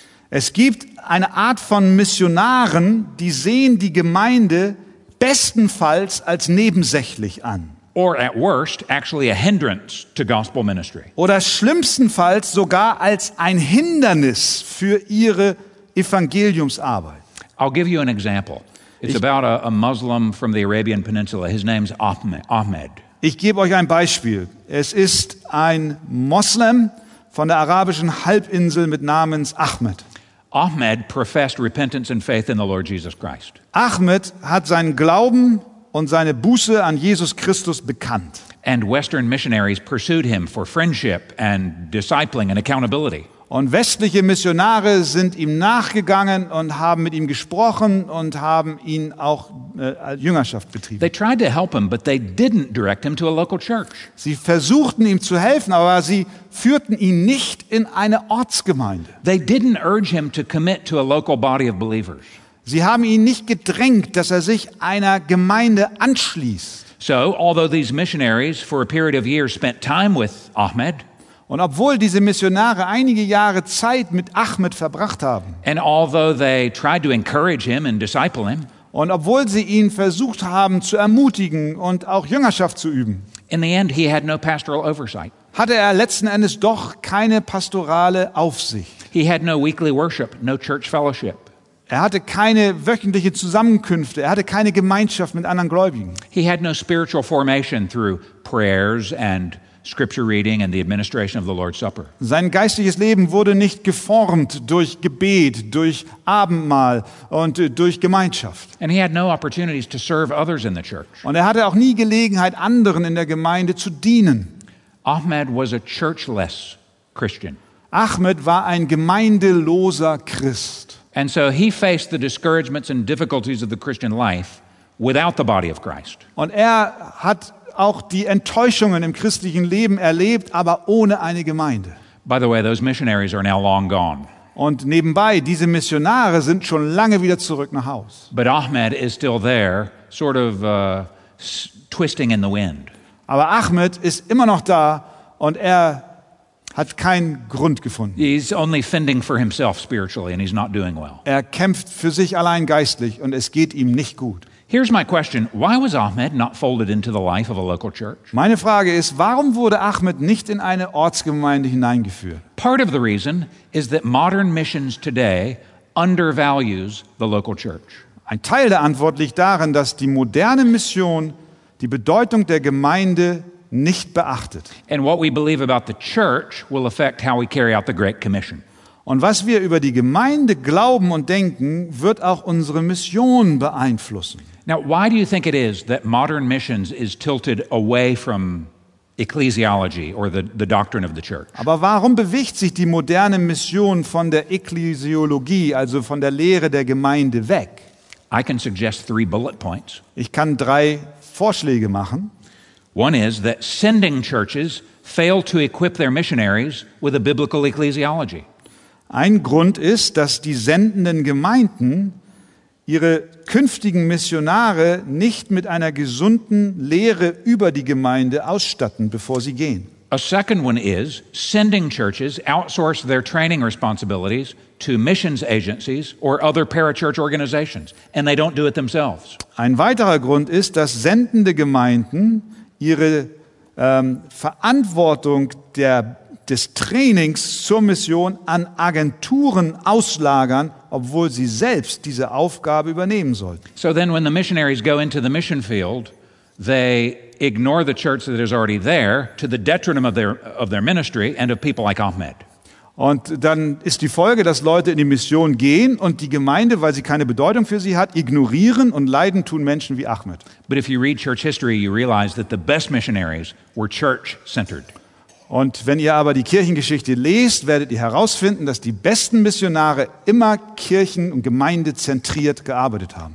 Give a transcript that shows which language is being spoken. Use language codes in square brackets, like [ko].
[de] Es gibt eine Art von Missionaren, die sehen die Gemeinde bestenfalls als nebensächlich an. [en] Or at worst actually a hindrance to gospel ministry. [de] Oder schlimmstenfalls sogar als ein Hindernis für ihre Evangeliumsarbeit. [en] I'll give you an example. It's about a Muslim from the Arabian Peninsula. His name's Ahmed. [de] Ich gebe euch ein Beispiel. Es ist ein Moslem von der arabischen Halbinsel mit Namens Ahmed. [en] Ahmed professed repentance and faith in the Lord Jesus Christ. [de] Ahmed hat seinen Glauben und seine Buße an Jesus Christus bekannt. [en] And Western missionaries pursued him for friendship and discipling and accountability. [de] Und westliche Missionare sind ihm nachgegangen und haben mit ihm gesprochen und haben ihn auch Jüngerschaft betrieben. [en] They tried to help him, but they didn't direct him to a local church. [de] Sie versuchten ihm zu helfen, aber sie führten ihn nicht in eine Ortsgemeinde. [en] They didn't urge him to commit to a local body of believers. [de] Sie haben ihn nicht gedrängt, dass er sich einer Gemeinde anschließt. [en] So, although these missionaries for a period of years spent time with Ahmed, [de] und obwohl diese Missionare einige Jahre Zeit mit Ahmed verbracht haben, [en] and although they tried to encourage him and disciple him, [de] und obwohl sie ihn versucht haben zu ermutigen und auch Jüngerschaft zu üben, [en] in the end he had no pastoral oversight. [de] Hatte er letzten Endes doch keine pastorale Aufsicht. [en] He had no weekly worship, no church fellowship. [de] Er hatte keine wöchentliche Zusammenkünfte, er hatte keine Gemeinschaft mit anderen Gläubigen. [en] He had no spiritual formation through prayers and scripture reading and the administration of the Lord's Supper. [de] Sein geistliches Leben wurde nicht geformt durch Gebet, durch Abendmahl und durch Gemeinschaft. [en] And he had no opportunities to serve others in the church. [de] Und er hatte auch nie Gelegenheit, anderen in der Gemeinde zu dienen. [en] Ahmed was a churchless Christian. [de] Ahmed war ein gemeindeloser Christ. [en] And so he faced the discouragements and difficulties of the Christian life without the body of Christ. [de] Und er hat auch die Enttäuschungen im christlichen Leben erlebt, aber ohne eine Gemeinde. [en] By the way, those missionaries are now long gone. [de] Und nebenbei, diese Missionare sind schon lange wieder zurück nach Haus. [en] But Ahmed is still there, sort of twisting in the wind. [de] Aber Ahmed ist immer noch da und er hat keinen Grund gefunden. [en] He's only fending for himself spiritually and he's not doing well. [de] Er kämpft für sich allein geistlich und es geht ihm nicht gut. [en] Here's my question. Why was Ahmed not folded into the life of a local church? [de] Meine Frage ist, warum wurde Ahmed nicht in eine Ortsgemeinde hineingeführt? [en] Part of the reason is that modern missions today undervalues the local church. [de] Ein Teil der Antwort liegt darin, dass die moderne Mission die Bedeutung der Gemeinde nicht beachtet. [en] And what we believe about the church will affect how we carry out the Great Commission. [de] Und was wir über die Gemeinde glauben und denken, wird auch unsere Mission beeinflussen. [en] Now, why do you think it is that modern missions is tilted away from ecclesiology or the doctrine of the church? [de] Aber warum bewegt sich die moderne Mission von der Ekklesiologie, also von der Lehre der Gemeinde, weg? [en] I can suggest three bullet points. [de] Ich kann drei Vorschläge machen. [en] One is that sending churches fail to equip their missionaries with a biblical ecclesiology. [de] Ein Grund ist, dass die sendenden Gemeinden ihre künftigen Missionare nicht mit einer gesunden Lehre über die Gemeinde ausstatten, bevor sie gehen. [en] A second one is, sending churches outsource their training responsibilities to missions agencies or other parachurch organizations, and they don't do it themselves. [de] Ein weiterer Grund ist, dass sendende Gemeinden ihre Verantwortung des Trainings zur Mission an Agenturen auslagern, obwohl sie selbst diese Aufgabe übernehmen sollten. [en] So then when the missionaries go into the mission field, they ignore the church that is already there to the detriment of their ministry and of people like Ahmed. [de] Und dann ist die Folge, dass Leute in die Mission gehen und die Gemeinde, weil sie keine Bedeutung für sie hat, ignorieren und leiden tun Menschen wie Ahmed. [en] But if you read church history, you realize that the best missionaries were church-centered. [de] Und wenn ihr aber die Kirchengeschichte lest, werdet ihr herausfinden, dass die besten Missionare immer kirchen- und gemeindezentriert gearbeitet haben.